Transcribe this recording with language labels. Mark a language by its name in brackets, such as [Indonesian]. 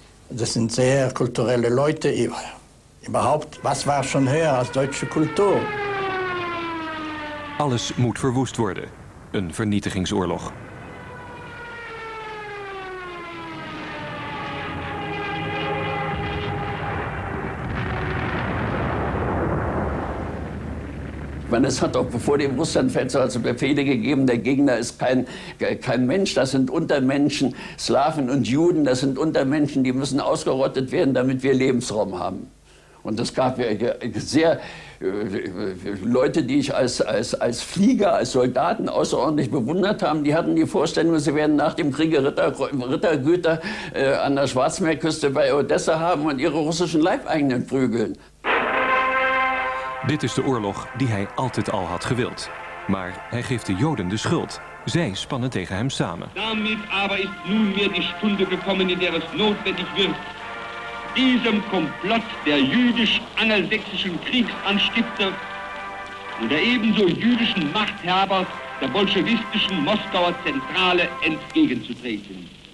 [German] Das sind sehr kulturelle Leute. Überhaupt, was war schon höher als deutsche Kultur? [Dutch] Alles moet verwoest worden. Een vernietigingsoorlog. [German] Man, es hat doch vor dem Russlandfeldzug also Befehle gegeben, der Gegner ist kein Mensch, das sind Untermenschen, Slawen und Juden, das sind Untermenschen, die müssen ausgerottet werden, damit wir Lebensraum haben. Und es gab sehr Leute, die ich als Flieger, als Soldaten außerordentlich bewundert haben, die hatten die Vorstellung, sie werden nach dem Kriege Rittergüter an der Schwarzmeerküste bei Odessa haben und ihre russischen Leibeigenen prügeln. [Dutch] Dit is de oorlog die hij altijd al had gewild. Maar hij geeft de Joden de schuld. Zij spannen tegen hem samen. [German] Damit aber ist nunmehr die Stunde gekommen, in der es notwendig wird, diesem Komplott der jüdisch-angelsächsischen Kriegsanstifter und der ebenso jüdischen Machthaber der bolschewistischen Moskauer Zentrale entgegenzutreten.